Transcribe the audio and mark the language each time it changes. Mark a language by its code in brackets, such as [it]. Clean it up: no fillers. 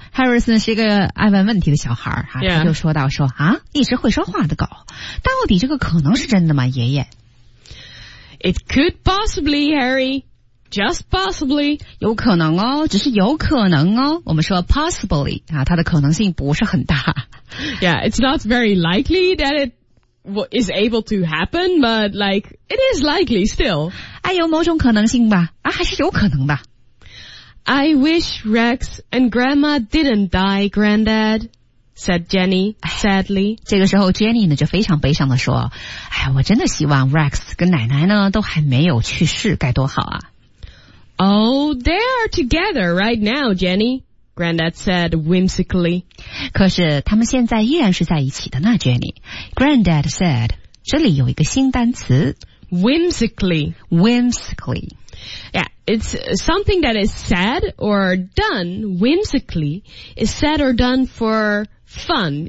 [zh] Harrison 是一个爱问问题的小孩、 [en] yeah. [zh] 他就说到说啊，一直会说话的狗，到底这个可能是真的吗，爷爷 [en] ？It could possibly, Harry. Just possibly. [zh] 有可能哦，只是有可能哦。我们说 possibly 啊，它的可能性不是很大。 [en] Yeah, it's not very likely that it is able to happen, but like it is likely still. [zh] 哎，有某种可能性吧？啊，还是有可能的。 [en] I wish Rex and Grandma didn't die, Granddad, said Jenny, sadly. [zh] 这个时候 Jenny 呢就非常悲伤地说哎呀我真的希望 Rex 跟奶奶呢都还没有去世该多好啊。 [en] Oh, they are together right now, Jenny, Granddad said whimsically. [zh] 可是他们现在依然是在一起的呢 Jenny. [en] Granddad said, [zh] 这里有一个新单词。 [en] Whimsically. Whimsically. Yeah, it's something that is said or done whimsically is said or done for fun.